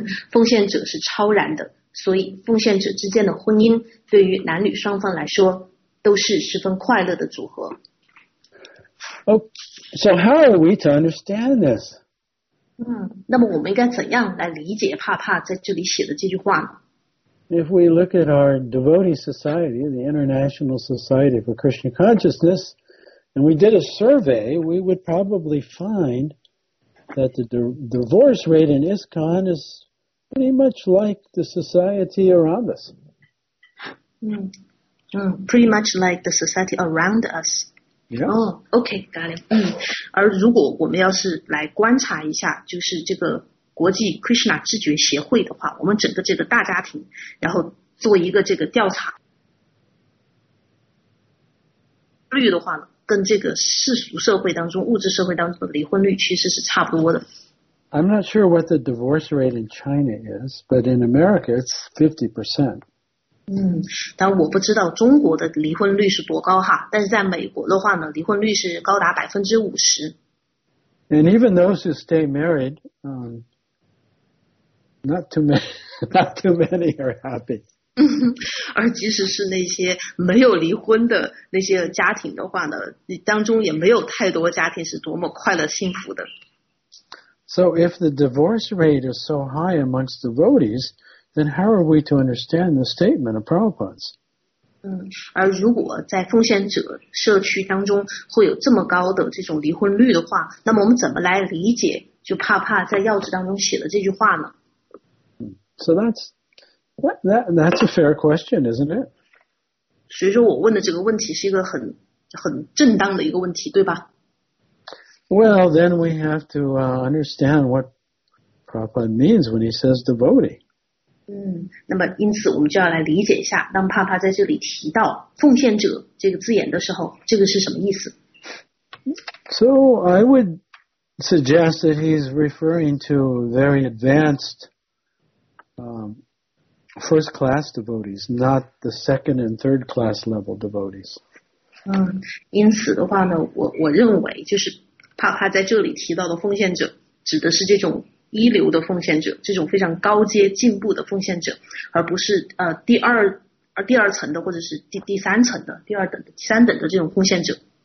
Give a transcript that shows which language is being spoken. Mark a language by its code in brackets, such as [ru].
[zh] 奉献者是超然的所以奉献者之间的婚姻对于男女双方来说都是十分快乐的组合。 [en] Oh, so how are we to understand this? [zh] 那么我们应该怎样来理解帕帕在这里写的这句话呢? [en] If we look at our devotee society, the International Society for Krishna Consciousness, and we did a survey, we would probably find that the divorce rate in ISKCON is pretty much like the society around us. Pretty much like the society around us. Got it. [zh] 而如果我们要是来观察一下就是这个国际 Krishna 知觉协会的话我们整个这个大家庭然后做一个这个调查率的话呢跟这个世俗社会当中物质社会当中的离婚率其实是差不多的 [en] I'm not sure what the divorce rate in China is but in America it's 50% [zh] 但我不知道中国的离婚率是多高哈但是在美国的话呢离婚率是高达 50%。 [en] And even those who stay married, not too many are happy. [zh] 而即使是那些没有离婚的那些家庭的话呢当中也没有太多家庭是多么快乐幸福的。 [en] So if the divorce rate is so high amongst devotees,then how are we to understand the statement of Prabhupada's? [zh] 而如果在奉献者社区当中会有这么高的这种离婚率的话那么我们怎么来理解就帕帕在要旨当中写的这句话呢 [en] So that's a fair question, isn't it? [zh] 所以说我问的这个问题是一个很正当的一个问题对吧 [en] Well, then we have to understand what Prabhupada means when he says devotee. [zh] 那么因此我们就要来理解一下当帕帕在这里提到奉献者这个字眼的时候这个是什么意思 [en] So I would suggest that he's referring to very advanced first class devotees not the second and third class level devotees [zh] 因此的话呢 我认为就是帕帕在这里提到的奉献者指的是这种一流的奉献者，这种非常高阶进步的奉献者，而不是第二层的，或者是第三层的、第二等的、第三等的这种奉献者。